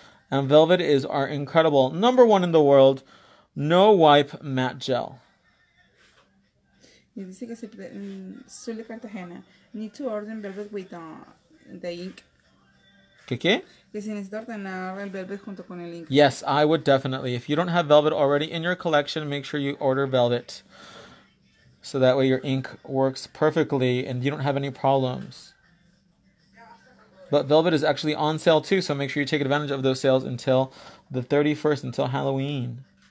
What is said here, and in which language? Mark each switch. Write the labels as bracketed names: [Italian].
[English] And velvet is our incredible number one in the world, no wipe matte gel. You see, because Sully Cartagena need to order velvet with the ink. [Spanish] ¿Qué? Que si necesito ordenar el velvet junto con el ink. [English] Yes, I would definitely. If you don't have velvet already in your collection, make sure you order velvet. So that way your ink works perfectly and you don't have any problems. Okay. But Velvet is actually on sale too, so make sure you take advantage of those sales until the 31st, until Halloween.